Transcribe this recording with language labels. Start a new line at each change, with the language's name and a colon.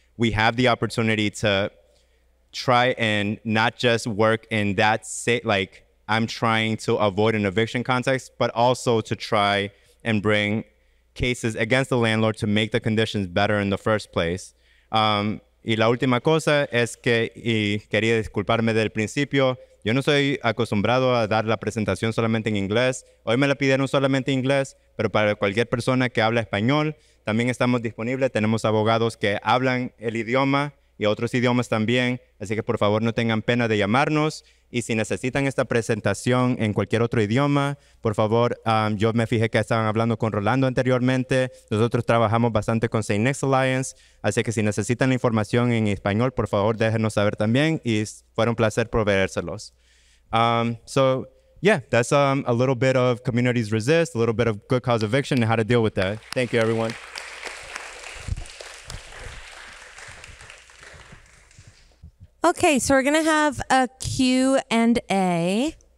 English: We have the opportunity to try and not just work in that state, like I'm trying to avoid an eviction context, but also to try and bring cases against the landlord to make the conditions better in the first place.
Spanish: Y la última cosa es que, y quería disculparme del principio, yo no soy acostumbrado a dar la presentación solamente en inglés. Hoy me la pidieron solamente en inglés, pero para cualquier persona que habla español, también estamos disponibles. Tenemos abogados que hablan el idioma y otros idiomas también. Así que por favor no tengan pena de llamarnos. Y si necesitan esta presentación en cualquier otro idioma, por favor, yo me fijé que estaban hablando con Rolando anteriormente. Nosotros trabajamos bastante con St. Next Alliance. Así que si necesitan la información en español, por favor, déjenos saber también. Y fue un placer proveérselos.
English: So, that's a little bit of Communities Resist, a little bit of Good Cause Eviction and how to deal with that. Thank you, everyone. Okay, so we're gonna have a Q&A.